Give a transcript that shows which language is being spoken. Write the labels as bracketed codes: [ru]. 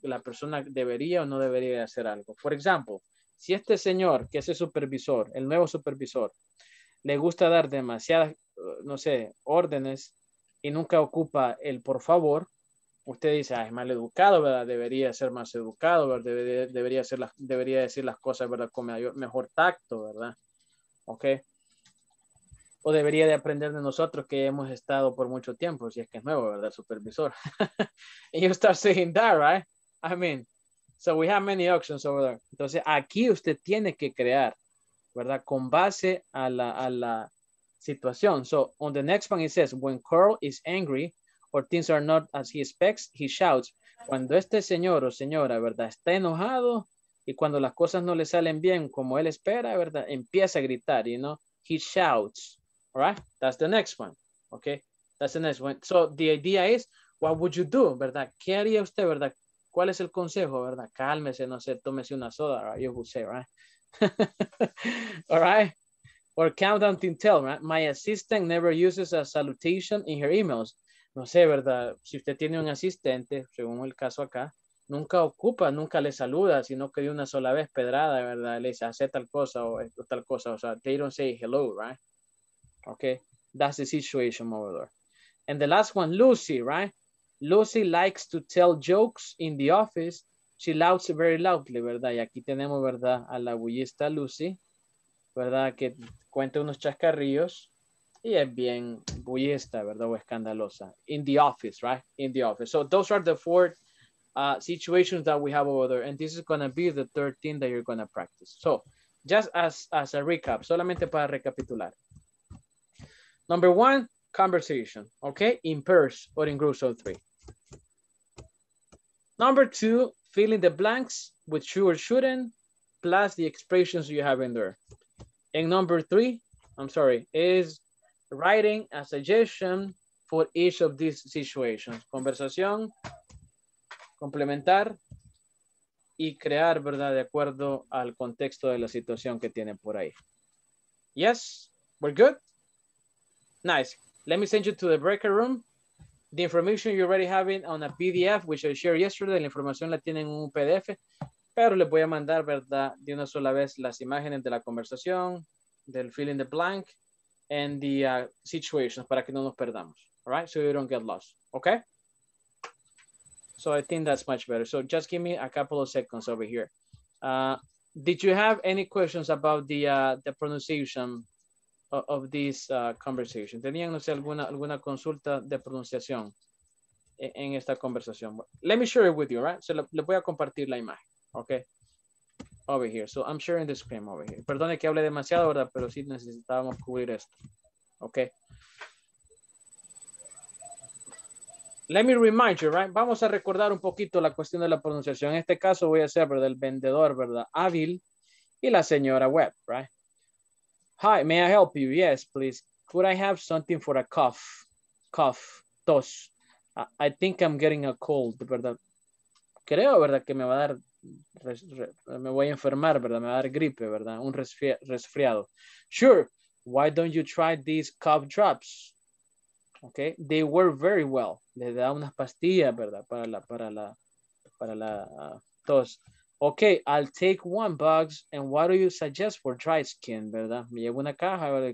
[es] ¿La persona debería o no debería hacer algo? [en] For example, [es] si este señor, que es el supervisor, el nuevo supervisor, le gusta dar demasiadas, no sé, órdenes y nunca ocupa el por favor, usted dice, ah, es mal educado, ¿verdad? Debería ser más educado, ¿verdad? Debería decir las cosas, ¿verdad? Con mejor tacto, ¿verdad? ¿Ok? O debería de aprender de nosotros que hemos estado por mucho tiempo, si es que es nuevo, ¿verdad? [en] Supervisor. And you start saying that, right? I mean, so we have many options over there. [es] Entonces, aquí usted tiene que crear, ¿verdad? Con base a la situación. [en] So, on the next one, it says, when Carl is angry or things are not as he expects, he shouts. [es] Cuando este señor o señora, ¿verdad? Está enojado y cuando las cosas no le salen bien como él espera, ¿verdad? Empieza a gritar, [en] you know? He shouts. All right, that's the next one, okay? That's the next one. So the idea is, what would you do, verdad? [es] ¿Qué haría usted, verdad? ¿Cuál es el consejo, verdad? Cálmese, no sé, tómese una soda, right? [en] You would say, right? All right? Or count down to tell, right? My assistant never uses a salutation in her emails. [es] No sé, verdad, si usted tiene un asistente, según el caso acá, nunca ocupa, nunca le saluda, sino que de una sola vez pedrada, verdad, le dice, hace tal cosa, o sea, [en] they don't say hello, right? Okay, that's the situation over there. And the last one, Lucy, right? Lucy likes to tell jokes in the office. She laughs very loudly, [es] ¿verdad? Y aquí tenemos, ¿verdad? A la bullista Lucy, ¿verdad? Que cuenta unos chascarrillos y es bien bullista, ¿verdad? O escandalosa. [en] In the office, right? In the office. So those are the four situations that we have over there. And this is going to be the third thing that you're going to practice. So just as a recap, [es] solamente para recapitular. [en] Number one, conversation, okay? In pairs or in groups of three. Number two, fill in the blanks with should or shouldn't, plus the expressions you have in there. And number three, I'm sorry, is writing a suggestion for each of these situations. [es] Conversación, complementar, y crear, ¿verdad? De acuerdo al contexto de la situación que tiene por ahí. [en] Yes, we're good? Nice. Let me send you to the breakout room. The information you already have in on a PDF, which I shared yesterday, [es] la información la tienen en un PDF, pero les voy a mandar, ¿verdad? De una sola vez las imágenes de la conversación, del [en] fill in the blank, and the situations [es] para que no nos perdamos. [en] All right? So you don't get lost. Okay? So I think that's much better. So just give me a couple of seconds over here. Did you have any questions about the pronunciation of this conversation? [es] ¿Tenían, no sé, alguna consulta de pronunciación en esta conversación? [en] Let me share it with you, right? So [es] le voy a compartir la imagen, [en] okay? Over here. So I'm sharing the screen over here. [es] Perdone que hable demasiado, ¿verdad? Pero sí necesitábamos cubrir esto, okay? [en] Let me remind you, right? [es] Vamos a recordar un poquito la cuestión de la pronunciación. En este caso voy a ser, ¿verdad? El vendedor, ¿verdad? Hábil y la señora Webb, [en] right? Hi, may I help you? Yes, please. Could I have something for a cough? Cough, [es] tos. [en] I think I'm getting a cold, ¿verdad? [es] Creo, [en] ¿verdad? [es] Que me va a dar, me voy a enfermar, ¿verdad? Me va a dar gripe, ¿verdad? Un resfriado. [en] Sure, why don't you try these cough drops? Okay, they work very well. [es] Le da unas pastillas, ¿verdad? Para la tos. [en] Okay, I'll take one box, and what do you suggest for dry skin, verdad? [es] Me llevo una caja, ¿verdad?